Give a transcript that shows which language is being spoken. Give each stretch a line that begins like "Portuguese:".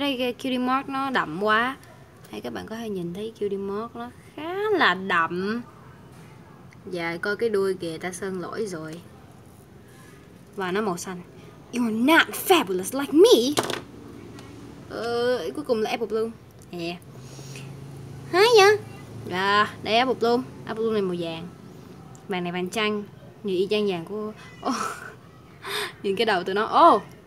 Vietnamese: Đây cutie mark nó đậm quá. Hay các bạn có thể nhìn thấy cutie mark nó khá là đậm. Dạ, coi cái đuôi kìa, ta sơn lỗi rồi. Và nó màu xanh.
English: You're not fabulous like me.
Vietnamese: Cuối cùng là Apple Bloom. Nè. Hay nha. Và đây Apple Bloom. Apple Bloom này màu vàng. Vàng này vàng chanh. Như y chang vàng của nhìn cái đầu tụi nó.